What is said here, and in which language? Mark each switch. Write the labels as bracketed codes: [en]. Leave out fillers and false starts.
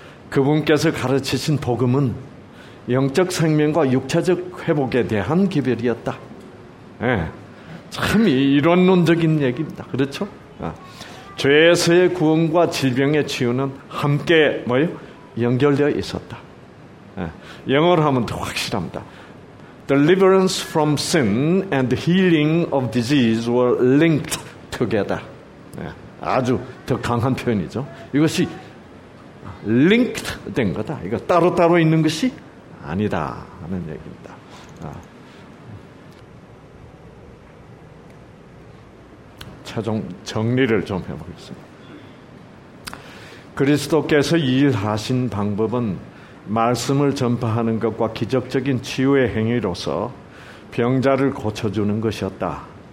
[ko] 그분께서 가르치신 복음은 영적 생명과 육체적 회복에 대한 기별이었다. 예. 참 이론론적인 얘기입니다. 그렇죠? 죄에서의 구원과 질병의 치유는 함께 뭐예요? 연결되어 있었다. 영어로 하면 더 확실합니다. [en] Deliverance from sin and healing of disease were linked together. [ko] 아주 더 강한 표현이죠. 이것이 linked 된 거다. 이거 따로따로 있는 것이 아니다 하는 얘기입니다. 최종 정리를 좀 해보겠습니다. 그리스도께서 일하신 방법은 말씀을 전파하는 것과 기적적인 치유의 행위로서 병자를 고쳐주는 것이었다.